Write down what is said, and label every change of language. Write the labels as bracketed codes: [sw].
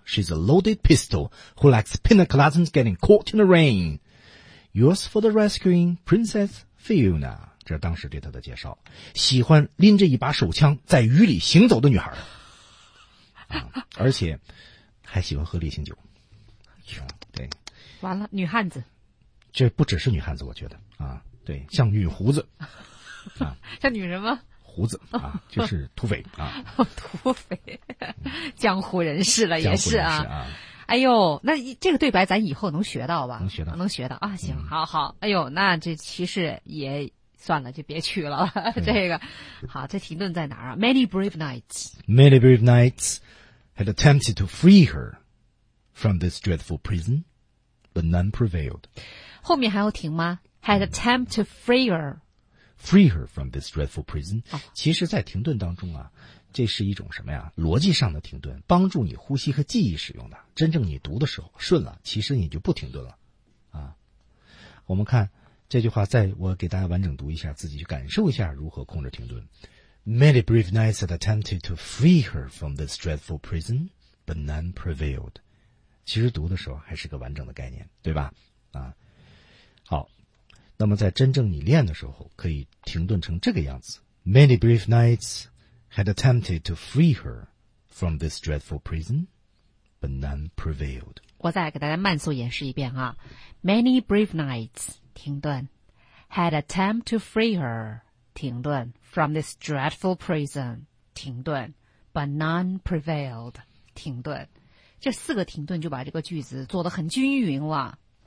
[en] She's a loaded pistol who likes pina coladas getting caught in the rain. Yours for the rescuing, Princess Fiona. [zh] 这是当时对她的介绍。喜欢拎着一把手枪在雨里行走的女孩。而且还喜欢喝烈性酒。对。完了，女汉子。这不只是女汉子，我觉得啊，对，像女胡子啊，像女什么胡子啊，就是土匪啊，土匪，江湖人士了，也是啊。哎呦，那这个对白咱以后能学到吧？能学到，能学到啊！行，好好。哎呦，那这其实也算了，就别去了。这个好，这停顿在哪儿啊 ？ [en] Many brave knights, many brave knights had attempted to free her from this dreadful prison, but none prevailed. [zh] 后面还要停吗 ？ [en] Had attempt to free her, free her from this dreadful prison.、 [zh] 其实，在停顿当中啊，这是一种什么呀？逻辑上的停顿，帮助你呼吸和记忆使用的。真正你读的时候顺了，其实你就不停顿了。啊，我们看这句话，再我给大家完整读一下，自己去感受一下如何控制停顿。 [en] Many brave knights had attempted to free her from this dreadful prison, but none prevailed. [zh] 其实读的时候还是个完整的概念，对吧？啊。好，那么在真正你练的时候可以停顿成这个样子。 [en] Many brave knights had attempted to free her from this dreadful prison, but none prevailed. [zh] 我再给大家慢速演示一遍啊。 [en] Many brave knights, 停顿。Had attempted to free her, 停顿。 From this dreadful prison, 停顿。But none prevailed, 停顿。 [zh] 这四个停顿就把这个句子做得很均匀了。